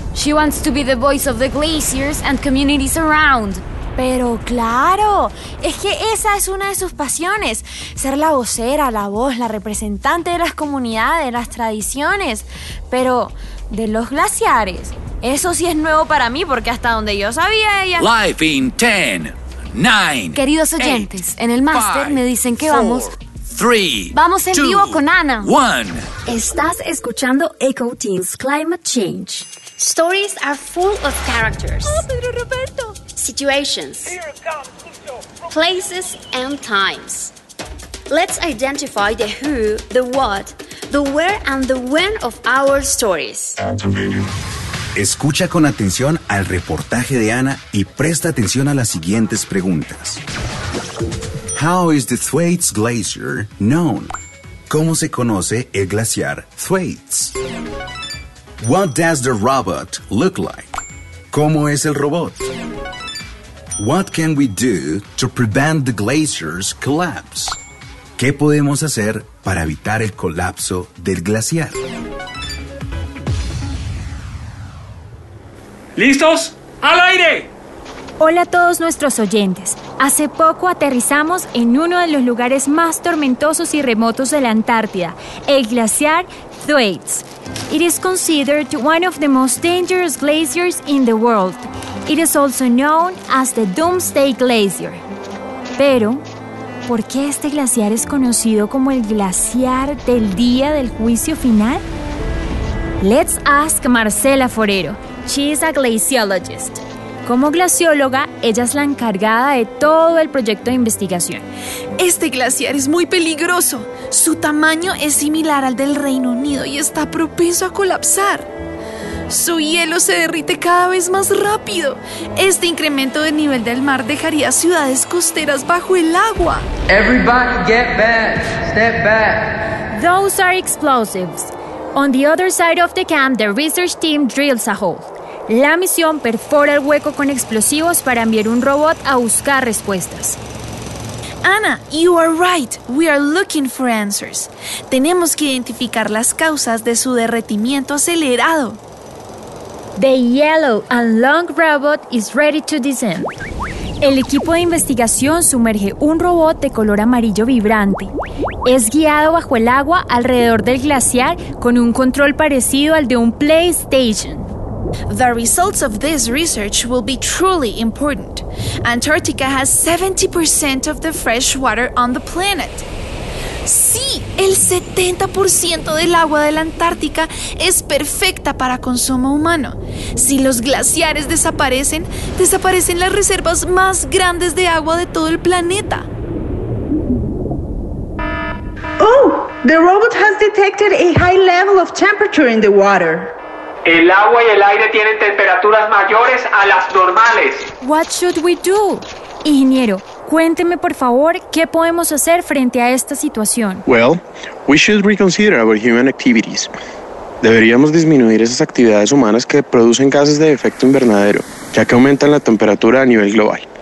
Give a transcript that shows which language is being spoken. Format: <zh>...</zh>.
<en>She wants to be the voice of the glaciers and communities around.</en> <es>Pero claro, es que esa es una de sus pasiones. Ser la vocera, la voz, la representante de las comunidades, las tradiciones. Pero, ¿de los glaciares? Eso sí es nuevo para mí porque hasta donde yo sabía ella...</es> <en>Life in 10, 9,</en> <es>queridos oyentes,</es> <en>8,</en> <es>en el máster me dicen que</es> <en>4,</en> <es>vamos...</es> <en>3,</en> <es>vamos en</es> <en>2,</en> <es>vivo con Ana.</es> <en>1.</en> <es>Estás escuchando EcoTeens Climate Change.</es> <en>Stories are full of characters.</en> <es>¡Oh, Pedro Roberto!</es> <en>Situations, places, and times. Let's identify the who, the what, the where, and the when of our stories.</en> <es>Escucha con atención al reportaje de Ana y presta atención a las siguientes preguntas.</es> <en>How is the Thwaites Glacier known?</en> <es>¿Cómo se conoce el glaciar Thwaites?</es> <en>What does the robot look like?</en> <es>¿Cómo es el robot?</es> <en>What can we do to prevent the glacier's collapse?</en> <es>¿Qué podemos hacer para evitar el colapso del glaciar? ¿Listos? ¡Al aire! Hola a todos nuestros oyentes. Hace poco aterrizamos en uno de los lugares más tormentosos y remotos de la Antártida, el glaciar Thwaites.</es> <en>It is considered one of the most dangerous glaciers in the world. It is also known as the Doomsday Glacier.</en> <es>Pero, ¿por qué este glaciar es conocido como el glaciar del día del juicio final?</es> <en>Let's ask Marcela Forero. She is a glaciologist.</en> <es>Como glacióloga, ella es la encargada de todo el proyecto de investigación. Este glaciar es muy peligroso. Su tamaño es similar al del Reino Unido y está propenso a colapsar. Su hielo se derrite cada vez más rápido. Este incremento del nivel del mar dejaría ciudades costeras bajo el agua.</es> <en>Everybody get back. Step back. Those are explosives. On the other side of the camp, the research team drills a hole.</en> <es>La misión perfora el hueco con explosivos para enviar un robot a buscar respuestas.</es> <en>Ana, you are right. We are looking for answers.</en> <es>Tenemos que identificar las causas de su derretimiento acelerado.</es> <en>The yellow and long robot is ready to descend.</en> <es>El equipo de investigación sumerge un robot de color amarillo vibrante. Es guiado bajo el agua alrededor del glaciar con un control parecido al de un PlayStation.</es> <en>The results of this research will be truly important. Antarctica has 70% of the fresh water on the planet.</en> <es>¡Sí! El 70% del agua de la Antártica es perfecta para consumo humano. Si los glaciares desaparecen, desaparecen las reservas más grandes de agua de todo el planeta. ¡Oh!</es> <en>The robot has detected a high level of temperature in the water.</en> <es>El agua y el aire tienen temperaturas mayores a las normales.</es> <en>What should we do?</en> <es>Ingeniero, cuénteme por favor qué podemos hacer frente a esta situación.</es> <en>Well, we should reconsider our human activities.</en> <es>Deberíamos disminuir esas actividades humanas que producen gases de efecto invernadero, ya que aumentan la temperatura a nivel global.</es>